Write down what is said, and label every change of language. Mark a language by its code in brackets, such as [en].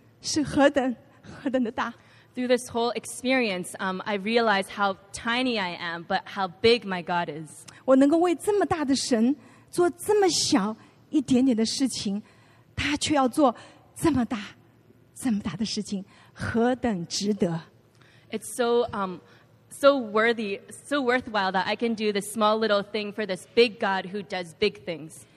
[zh] 我在这次经历过程当中，我最大的感受就是我何等何等的小，而我的神是何等何等的大。 [en] Through this whole experience, I realized how tiny I am, but how big my God is. [zh] 我能够为这么大的神做这么小一点点的事情，他却要做这么大、这么大的事情，何等值得！ [en] It's so worthy, so worthwhile that I can do this small little thing for this big God who does big things.